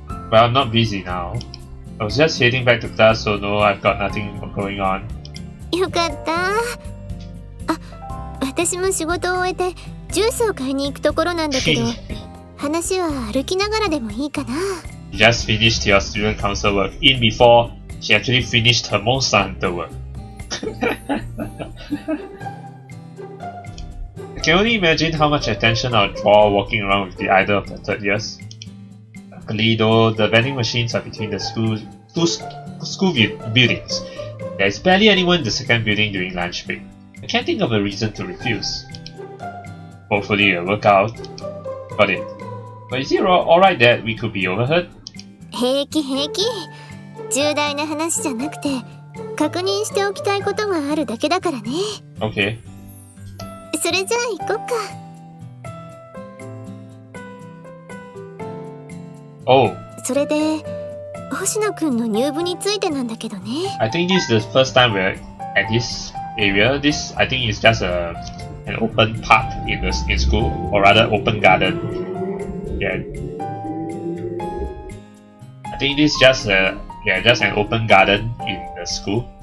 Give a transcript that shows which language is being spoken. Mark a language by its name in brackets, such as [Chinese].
[English] Well, I'm not busy now. I was just heading back to class, so no, I've got nothing going on. [Japanese] よかった。あ、私も仕事を終えてジュースを買いに行くところなんだけど、話は歩きながらでもいいかな。 [English] You just finished your student council work in before she actually finished her Monsanto work. I can only imagine how much attention I'll draw walking around with the idol of the third years. Luckily though, the vending machines are between the two school buildings. There's barely anyone in the second building during lunch break. I can't think of a reason to refuse. Hopefully it'll work out. Got it. But is it alright that we could be overheard? [Japanese] 平気平気。重大な話じゃなくて、確認しておきたいことがあるだけだからね。 [English] OK。 [Japanese] それじゃあ行こっか。 [English] Oh。 [Japanese] それで、星野くんの入部についてなんだけどね。 [English] I think this is the first time we're at this area. This, I think, is just an open park in school, or rather open garden. Yeah. I think this is just just an open garden in the school.